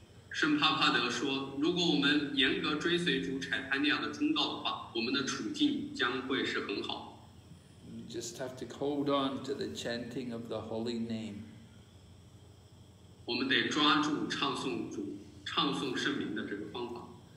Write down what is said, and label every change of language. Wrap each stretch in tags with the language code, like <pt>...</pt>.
<zh>圣帕帕德说, 如果我们严格追随主柴潘尼亚的忠告的话, 我们的处境将会是很好。</zh> <en>You just have to hold on to the chanting of the holy name.</en> <zh>我们得抓住唱诵主, 唱诵圣名的这个方法。</zh>